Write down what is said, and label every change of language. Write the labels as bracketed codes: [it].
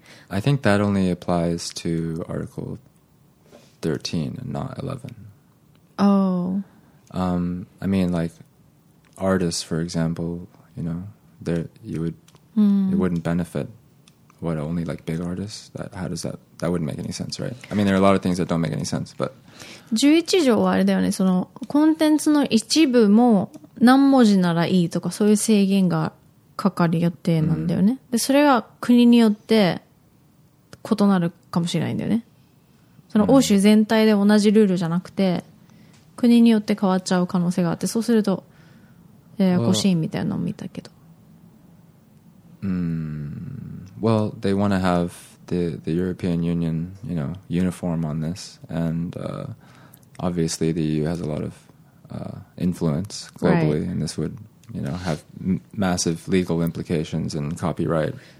[en] I think that only applies to Article 13 and not 11. Oh. I mean, like artists, for example, you know, there you would、mm. it wouldn't benefit what only like big artists. That how does that that wouldn't make any sense, right? I mean, there are a lot of things that don't make any sense, but. [ja] 11条はあれだよね、そのコンテンツの一部も何文字ならいいとかそういう制限がかかる予定なんだよね、うん、でそれは国によって異なるかもしれないんだよね、その欧州全体で同じルールじゃなくて、うん、国によって変わっちゃう可能性があって、そうするとややこしいみたいなのを見たけど、 [en] Well, they want to haveThe European Union, you know, uniform on this, and obviously the EU has a lot of influence globally,、right. and this would, you know, have massive legal implications and copyright、